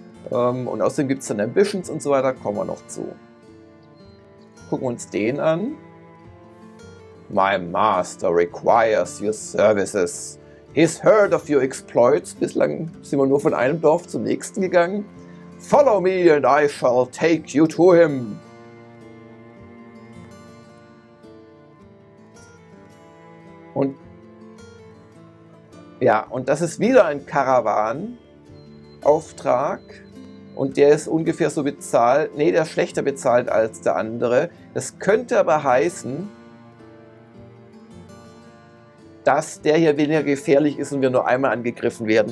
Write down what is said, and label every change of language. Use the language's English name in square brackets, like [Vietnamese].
[German] Und außerdem gibt es dann Ambitions und so weiter, kommen wir noch zu. Gucken wir uns den an. [English] My master requires your services. He's heard of your exploits. [German] Bislang sind wir nur von einem Dorf zum nächsten gegangen. [English] Follow me and I shall take you to him. [German] Und ja, und das ist wieder ein Karawan-Auftrag und der ist ungefähr so bezahlt, nee, der ist schlechter bezahlt als der andere. Das könnte aber heißen, dass der hier weniger gefährlich ist und wir nur einmal angegriffen werden.